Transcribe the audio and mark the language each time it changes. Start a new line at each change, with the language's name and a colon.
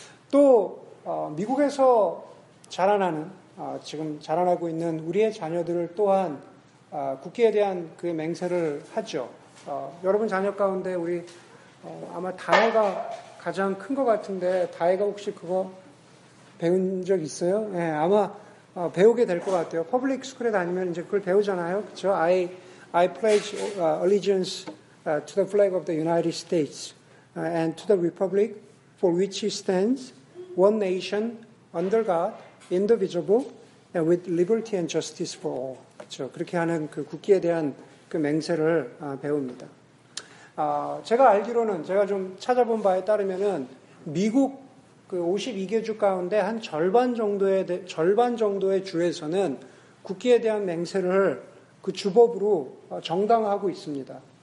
Korean: 또 미국에서 자라나는 지금 자라나고 있는 우리의 자녀들을 또한 국기에 대한 그 맹세를 하죠. 여러분 자녀 가운데 우리 아마 다혜가 가장 큰 것 같은데 다혜가 혹시 그거 배운 적 있어요? 네, 아마 배우게 될 것 같아요. 퍼블릭 스쿨에 다니면 이제 그걸 배우잖아요. 그렇죠?
English: I pledge allegiance to the flag of the United States and to the republic for which it stands, one nation, under God, indivisible, and with liberty and justice for all.
Korean: 그렇죠. 그렇게 하는 그 국기에 대한 그 맹세를 배웁니다. 제가 알기로는 제가 좀 찾아본 바에 따르면은 미국 그 52개 주 가운데 한 절반 정도의 주에서는 국기에 대한 맹세를 그 주법으로 정당화하고 있습니다.